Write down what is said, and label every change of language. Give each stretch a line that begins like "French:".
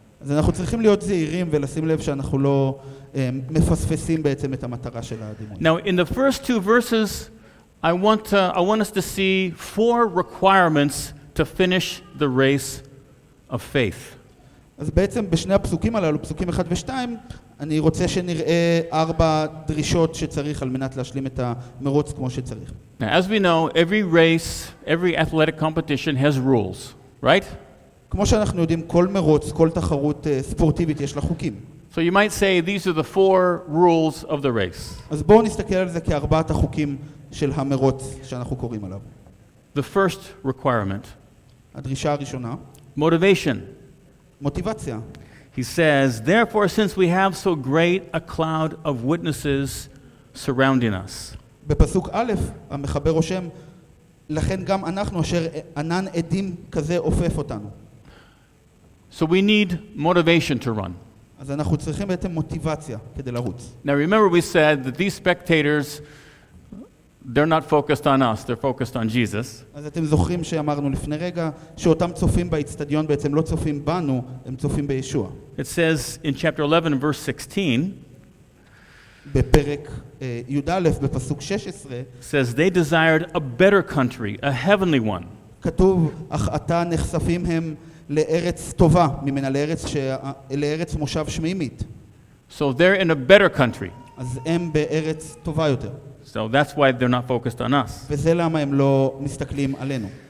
Hebrew: אז אנחנו צריכים להיות זהירים ולשים לב שאנחנו לא מפספסים בעצם את המטרה של הדימוי.
English: Now in the first two verses I want us to see four requirements to finish the race of faith.
Hebrew: אז בעצם בשני הפסוקים הללו, פסוקים 1 ו-2, אני רוצה שנראה ארבע דרישות שצריך על מנת להשלים את המרוץ כמו שצריך.
English: Now, as we know, every race, every athletic competition has rules, right?
Hebrew: כמו שאנחנו יודעים, כל מרוץ, כל תחרות ספורטיבית יש לה חוקים.
English: So you might say these are the four rules of the race.
Hebrew: אז בואו נסתכל על זה כארבעת החוקים של המרוץ שאנחנו קוראים עליו.
English: The first requirement.
Hebrew: הדרישה הראשונה.
English: Motivation.
Hebrew: מוטיבציה.
English: He says, therefore, since we have so great a cloud of witnesses surrounding us.
Hebrew: בפסוק א', המחבר רושם, לכן גם אנחנו אשר ענן עדים כזה עופף אותנו.
English: So we need motivation to run.
Hebrew: אז אנחנו צריכים בעצם מוטיבציה כדי לרוץ.
English: Now remember we said that these spectators, they're not focused on us, they're focused on Jesus.
Hebrew: אז אתם זוכרים שאמרנו לפני רגע שאותם צופים באצטדיון בעצם לא צופים בנו, הם צופים בישוע.
English: It says in chapter 11 verse 16
Hebrew: בפרק י"א בפסוק 16
English: says they desired a better country, a heavenly one.
Hebrew: כתוב אך אתה נחשפים הם לארץ טובה, ממנה לארץ לארץ מושב שמימית.
English: So they're in a better country.
Hebrew: אז הם בארץ טובה יותר.
English: So that's why they're not focused on us.
Hebrew: וזה למה הם לא מסתכלים עלינו.